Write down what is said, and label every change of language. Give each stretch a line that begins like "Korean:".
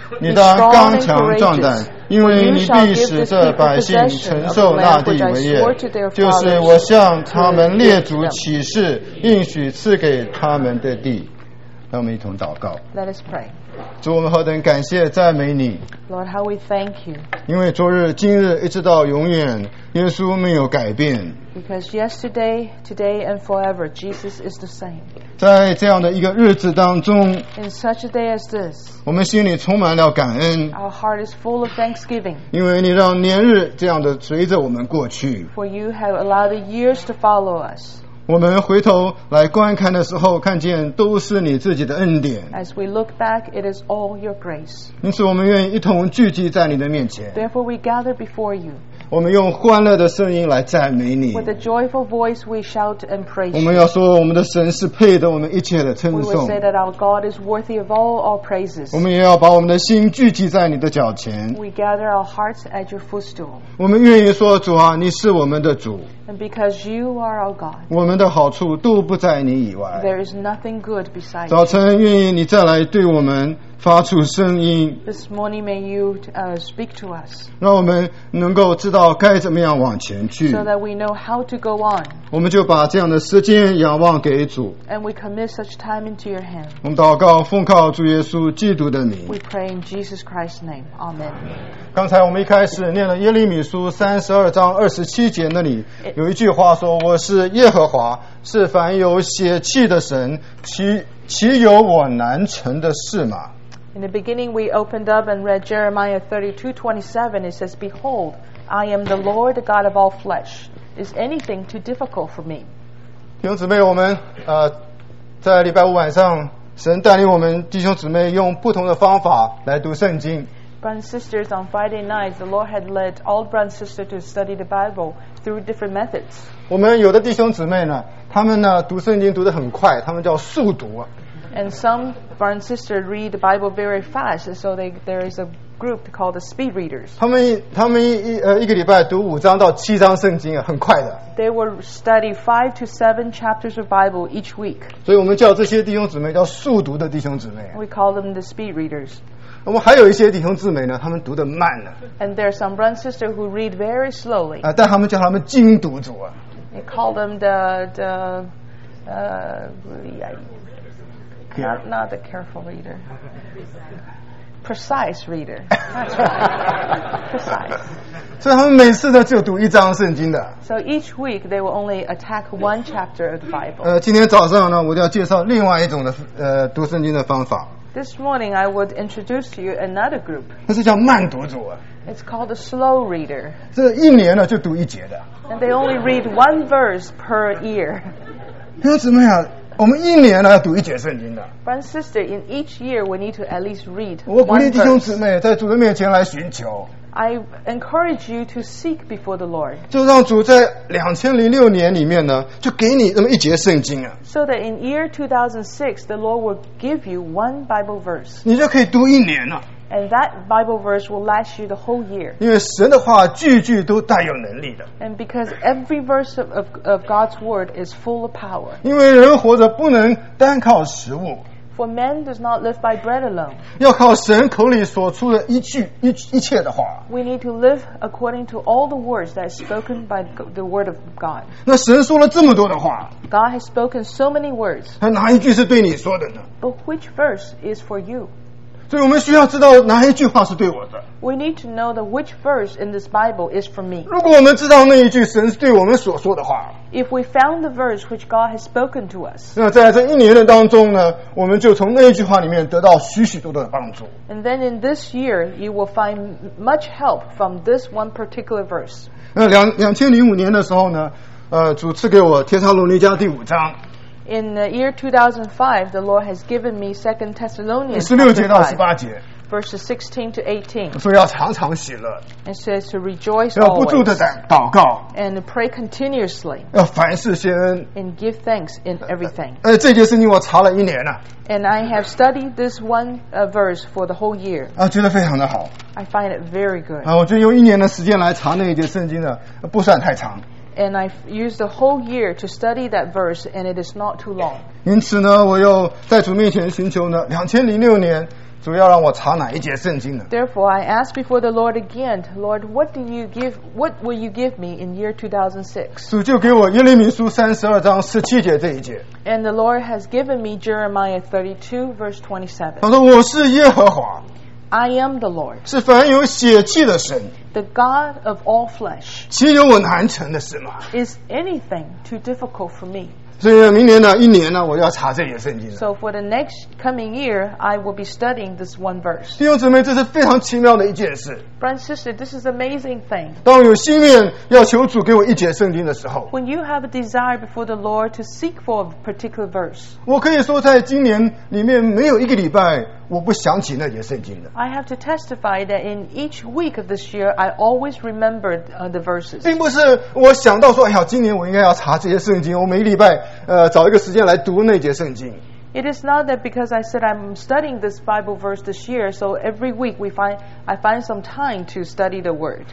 Chinese: 你当刚强壮胆，因为你必使这百姓承受那地为业，就是我向他们列祖起誓应许赐给他们的地。让我们一同祷告。
English: Let us pray.
Chinese: 主，我们何等感谢赞美你。
English: Lord, how we thank you.
Chinese: 因为昨日、今日一直到永远，耶稣没有改变。
English: Because yesterday, today, and forever, Jesus is the same.
Chinese: 在这样的一个日子当中
English: ，In such a day as this,
Chinese: 我们心里充满了感恩。
English: Our heart is full of thanksgiving.
Chinese: 因为你让年日这样的随着我们过去。
English: For you have allowed the years to follow us.
Chinese: 我们回头来观看的时候，看见都是你自己的恩典。
English: As we look back, it is all your grace.
Chinese: 因此，我们愿意一同聚集在你的面前。
English: Therefore, we gather before you.
Chinese: 我们用欢乐的声音来赞美你。
English: With a joyful voice, we shout and praise.
Chinese: 我们要说，我们的神是配得我们一切的称颂。
English: We will say that our God is worthy of all our praises.
Chinese: 我们也要把我们的心聚集在你的脚前。
English: We gather our hearts at your footstool.
Chinese: 我们愿意说，主啊，你是我们的主。
English: And because you are our God,
Chinese: 我们的好处都不在你以外。
English: There is nothing good beside you.
Chinese: 早晨愿意你再来对我们发出声音。
English: This morning may you speak to us.
Chinese: 让我们能够知道该怎么样往前去。
English: So that we know how to go on.
Chinese: 我们就把这样的时间仰望给主。
English: And we commit such time into your hand.
Chinese: 我们祷告奉靠主耶稣基督的名。
English: We pray in Jesus Christ's name. Amen.
Chinese: 刚才我们一开始念了耶利米书32章27节那里。有一句话说，我是耶和华，是凡有血气的神，岂有我难成的事吗？
English: In the beginning we opened up and read Jeremiah 32:27. It says, Behold, I am the Lord, the God of all flesh. Is anything too difficult for me?
Chinese: 弟兄姊妹，我们在礼拜五晚上，神带领我们弟兄姊妹用不同的方法来读圣经。
English: Brothers and sisters, on Friday night, the Lord had led all brothers and sisters to study the Bible through different methods.
Chinese: 我们有的弟兄姊妹呢，他们呢读圣经读得很快，他们叫速读。
English: And some brothers and sisters read the Bible very fast, so there is a group called the speed readers.
Chinese: 他们一个礼拜读5章到7章圣经，很快的。
English: They will study 5 to 7 chapters of Bible each week.
Chinese: 所以我们叫这些弟兄姊妹叫速读的弟兄姊妹。
English: We call them the speed readers.
Chinese: 我们还有一些弟兄姊妹呢，他们读得慢呢。
English: And there are some brothers and sisters who read very slowly.
Chinese: 但他们叫他们精读组啊。
English: They call them the not the careful reader. Precise reader. Precise.
Chinese: 所以他们每次呢就读一章圣经的。
English: So each week they will only attack one chapter of the Bible.
Chinese: 今天早上呢，我就要介绍另外一种的读圣经的方法。
English: This morning, I would introduce to you another group.
Chinese: 那是叫慢读组。
English: It's called a slow reader.
Chinese: 这一年呢就读一节的。
English: And they only read one verse per year.
Chinese: 那怎么样？我们一年呢要读一节圣经的。
English: Brothers and sisters, in each year, we need to at least read one verse.
Chinese: 我鼓励弟兄姊妹在主的面前来寻求。
English: I encourage you to seek before the Lord.
Chinese: 就让主在2006年里面呢，就给你那么一节圣经啊。
English: So that in year 2006, the Lord will give you one Bible verse.
Chinese: 你就可以读一年了。
English: And that Bible verse will last you the whole year.
Chinese: 因为神的话句句都带有能力的。
English: And because every verse of God's word is full of power.
Chinese: 因为人活着不能单靠食物。
English: For man does not live by bread alone.
Chinese: 要靠神口里所出的一句 一切的话。
English: We need to live according to all the words that are spoken by the word of God.
Chinese: 那神说了这么多的话。
English: God has spoken so many words.
Chinese: 他哪一句是对你说的呢？
English: But which verse is for you?
Chinese: 所以我们需要知道哪一句话是对我的。
English: We need to know that which verse in this Bible is for me.
Chinese: 如果我们知道那一句神是对我们所说的话。
English: If we found the verse which God has spoken to us,
Chinese: 那在这一年的当中呢，我们就从那一句话里面得到许许多多的帮助。
English: And then in this year, you will find much help from this one particular verse.
Chinese: 那2005年的时候呢，主赐给我《帖撒罗尼迦》第五章。
English: In the year 2005, the Lord has given me 2 Thessalonians 16-18. verses 16 to 18.
Chinese: 所以要常常喜乐。
English: It says to rejoice always.
Chinese: 要不住的祷告。
English: And pray continuously.
Chinese: 要凡事谢恩。
English: And give thanks in everything.
Chinese: 这件事情我查了一年了。
English: And I have studied this one verse for the whole year.
Chinese: 觉得非常的好。
English: I find it very good.
Chinese: 我就用一年的时间来查那一节圣经的，不算太长。
English: And I used the whole year to study that verse, and it is not too long.
Chinese: 因此呢，我又在主面前寻求呢，2006年。主要让我查哪一节圣经呢?
English: Therefore, I asked before the Lord again, Lord, what will you give me in year 2006?
Chinese: 主就给我耶利米书32章17节这一节。
English: And the Lord has given me Jeremiah 32:27.
Chinese: 他说我是耶和华。
English: I am the Lord.
Chinese: 是凡有血气的神。
English: The God of all flesh.
Chinese: 岂有我难成的事吗?
English: Is anything too difficult for me?
Chinese: 所以明年呢，一年呢，我要查这些圣经。
English: So for the next coming year, I will be studying this one verse.
Chinese: 弟兄姊妹，这是非常奇妙的一件事。
English: Brothers and sisters, this is an amazing thing.
Chinese: 当有心愿要求主给我一节圣经的时候
English: ，When you have a desire before the Lord to seek for a particular verse,
Chinese: 我可以说在今年里面没有一个礼拜我不想起那节圣经的。
English: I have to testify that in each week of this year, I always remember the verses.
Chinese: 并不是我想到说，哎呀，今年我应该要查这些圣经，我每礼拜。找一个时间来读那节圣经。
English: It is not that because I said I'm studying this Bible verse this year, so every week I find some time to study the word.